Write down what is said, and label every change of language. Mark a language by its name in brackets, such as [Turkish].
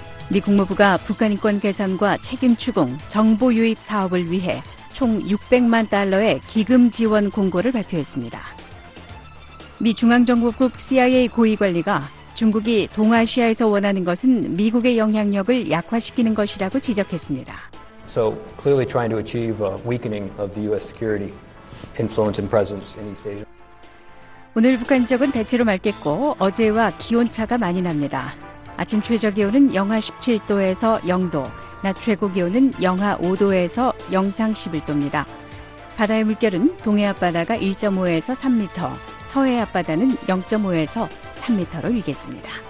[Korean] 미 국무부가 북한 인권 개선과 책임 추궁, 정보 유입 사업을 위해 총 600만 달러의 기금 지원 공고를 발표했습니다. 미 중앙정보국 CIA 고위 관리가 중국이 동아시아에서 원하는 것은 미국의 영향력을 약화시키는 것이라고 지적했습니다. [English] So clearly trying to achieve a weakening of the US security influence and presence in East Asia. [Korean] 오늘 북한 지역은 대체로 맑겠고 어제와 기온 차가 많이 납니다. 아침 최저 기온은 영하 17도에서 0도, 낮 최고 기온은 영하 5도에서 영상 11도입니다. 바다의 물결은 동해 앞바다가 1.5에서 3m, 서해 앞바다는 0.5에서 3m로 일겠습니다.